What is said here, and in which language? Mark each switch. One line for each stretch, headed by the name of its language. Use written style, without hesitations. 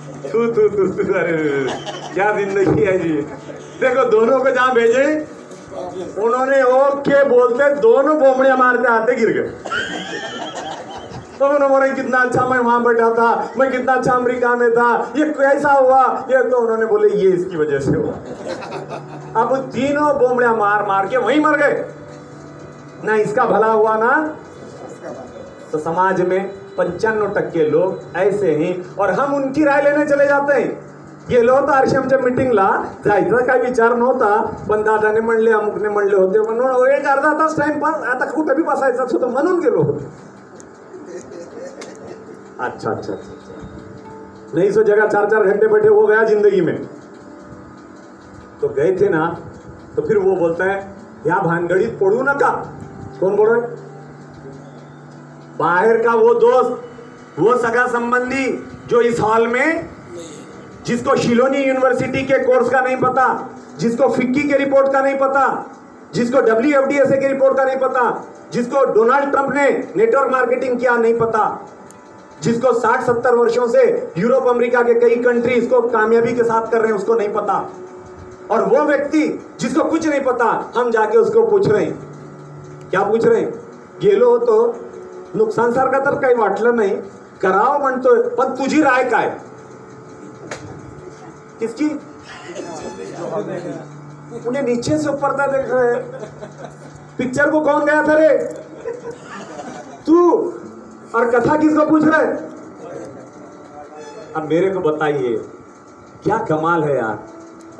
Hindi: तू तू तू तू, अरे क्या जिंदगी है जी। देखो दोनों को जहां भेजे उन्होंने ओके बोलते दोनों बोमड़िया मारते आते गिर गए। तो उन्होंने कितना अच्छा मैं वहां बैठा था, मैं कितना अच्छा अमरीका में था, ये कैसा हुआ ये? तो उन्होंने बोले ये इसकी वजह से हुआ। अब तीनों बोमड़िया मार मार के वहीं मर गए, ना इसका भला हुआ ना। तो समाज में 95% लोग ऐसे हैं और हम उनकी राय लेने चले जाते हैं। ये लो तो
Marathi: आरशम च मीटिंग ला जायचा काही विचार नव्हता, पण दादा ने म्हणले अमुक ने म्हणले होते म्हणून एक अर्धा तास टाइम पास, आता कुठे भी बसायचा असतो म्हणून गेलो होतो।
Hindi: अच्छा अच्छा, नहीं सो जगह चार चार घंटे बैठे हो गया जिंदगी में। तो गए थे ना, तो फिर वो बोलता है
Marathi: या भानगड़ी पढ़ू नका।
Hindi: कौन बोल रहा है? बाहर का वो दोस्त, वो सगा संबंधी जो इस हॉल में, जिसको शिलोनी यूनिवर्सिटी के कोर्स का नहीं पता, जिसको फिक्की के रिपोर्ट का नहीं पता, जिसको WFDSA के रिपोर्ट का नहीं पता, जिसको डोनाल्ड ट्रंप ने नेटवर्क मार्केटिंग किया नहीं पता, जिसको 60-70 वर्षों से यूरोप अमेरिका के कई कंट्री इसको कामयाबी के साथ कर रहे हैं उसको नहीं पता, और वो व्यक्ति जिसको कुछ नहीं पता हम जाके उसको पूछ रहे हैं। क्या पूछ रहे हैं?
Marathi: गेलो तो नुकसान सारखा तर काही वाटलं नाही, कराव म्हणतोय, पण तुझी राय काय?
Hindi: किसकी? उन्हें नीचे से ऊपर तक देख रहे, पिक्चर को कौन गया था रे तू, और कथा किसको पूछ रहे? अब मेरे को बताइए क्या कमाल है यार।